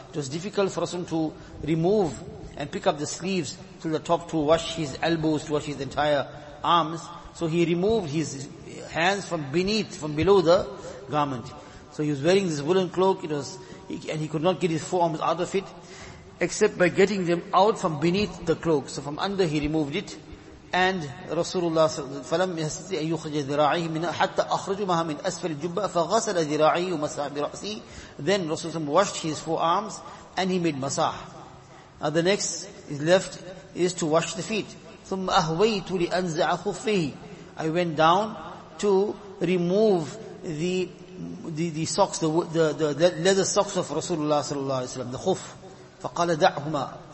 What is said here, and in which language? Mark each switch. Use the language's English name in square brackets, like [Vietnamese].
[English] It was difficult for Rasulullah to remove and pick up the sleeves to the top to wash his elbows, to wash his entire arms. So he removed his hands from below the garment. So he was wearing this woolen cloak, and he could not get his forearms out of it, except by getting them out from beneath the cloak. So from under he removed it, and Rasulullah [Arabic] فَلَمْ يَسْتَطِعْ أَنْ يُخْرِجَ ذِرَاعِهِ مِنْهَا حَتَّى أَخْرَجُهُمَا مِنْ أَسْفَلِ الْجُبَّةِ فَغَسَلَ ذِرَاعِهِ وَمَسَّحَ بِرَأْسِهِ. [English] Then Rasulullah washed his forearms, and he made masah. Now the next is left is to wash the feet. [Arabic] ثم أهويت لأنزع خفيه. [English] I went down to remove the socks, the leather socks of Rasulullah sallallahu alaihi wasallam, the khuf. [Arabic] فقال دعهما.